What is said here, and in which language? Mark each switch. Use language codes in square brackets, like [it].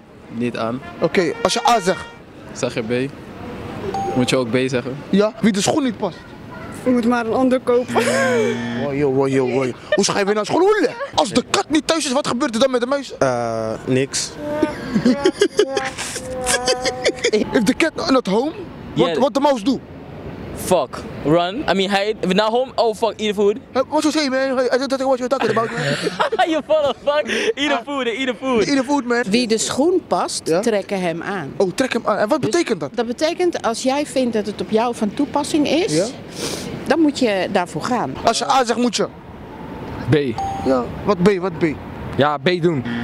[nl] Niet aan. Oké, als je A zegt. Zeg je B. Moet je ook B zeggen. Ja, wie de schoen niet past. Ik moet maar een ander kopen. Wow. Hoe schrijf je nou schoen? Als de kat niet thuis is, wat gebeurt er dan met de muis? Niks. [en] If the cat not home, what the mouse do? Fuck. Run. I mean hide. If not home, oh fuck, eat the food. What you say, man? I don't know what you're talking about, man. You full of fuck. Eat the food. Eat the food, man. [nl] Wie de schoen past, trekken hem aan. Oh, trek hem aan. En wat betekent dat? Dat betekent, als jij vindt dat het op jou van toepassing is, dan moet je daarvoor gaan. Als je A zegt, moet je? B. Ja. Wat B? Ja, B doen.